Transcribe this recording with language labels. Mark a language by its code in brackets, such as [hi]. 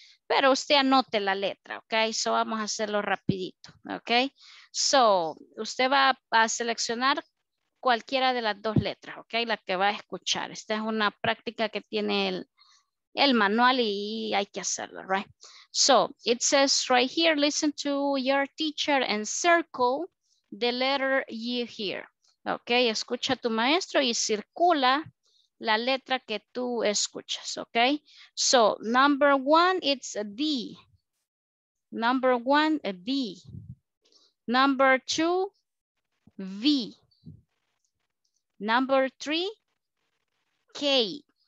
[es] Pero usted anote la letra, ¿ok? So, vamos a hacerlo rapidito, ¿ok? So, usted va a seleccionar cualquiera de las dos letras, ¿ok? La que va a escuchar. Esta es una práctica que tiene el manual y hay que hacerlo, right? [en] So, it says right here, listen to your teacher and circle the letter you hear. [es] Ok, escucha a tu maestro y circula la letra que tú escuchas, ok? [en] So, number one, it's a D. Number one, a D. Number two, V. Number three, K.